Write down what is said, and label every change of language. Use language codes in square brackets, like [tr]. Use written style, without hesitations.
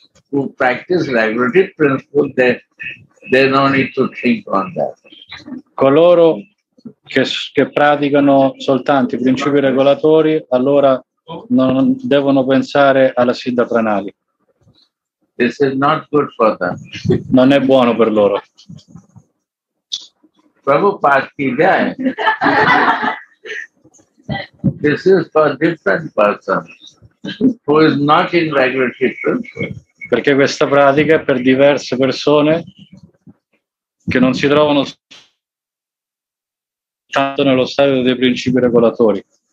[en] Who practice regulative principles, they don't need to think on that. [it] Coloro che praticano soltanto i principi regolatori, allora non devono pensare alla Siddha Pranali. [en] This is not good for them. [it] Non è buono per loro. [en] Prabhupada, this is for different person who is not in regular system. [it] Perché questa pratica è per diverse persone che non si trovano tanto nello stadio dei principi regolatori.